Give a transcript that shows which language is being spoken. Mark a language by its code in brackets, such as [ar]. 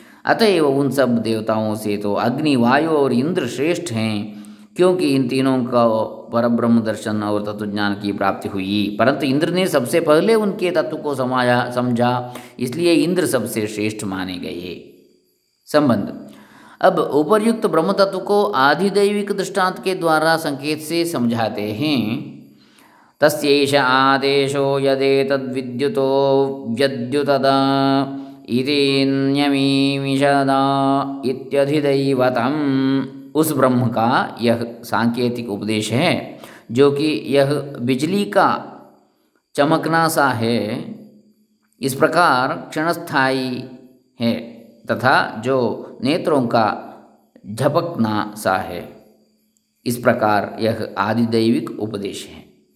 [hi] अतएव उन सब देवताओं से तो अग्नि वायु और इंद्र श्रेष्ठ हैं, क्योंकि इन तीनों का परब्रह्म दर्शन और तत्वज्ञान की प्राप्ति हुई, परंतु इंद्र ने सबसे पहले उनके तत्व को समझा, इसलिए इंद्र सबसे श्रेष्ठ माने गए। संबंध, अब उपर्युक्त ब्रह्म तत्व को आधिदैविक दृष्टांत के द्वारा संकेत से समझाते हैं। [sa] तस्यैष आदेशो यदेतद् विद्युतो व्यद्युतदा इति न्यमीमिषदा इत्यधिदैवतम्। [hi] उस ब्रह्म का यह सांकेतिक उपदेश है जो कि यह बिजली का चमकना सा है, इस प्रकार क्षणस्थायी है तथा जो नेत्रों का झपकना सा है, इस प्रकार यह आदिदैविक उपदेश है।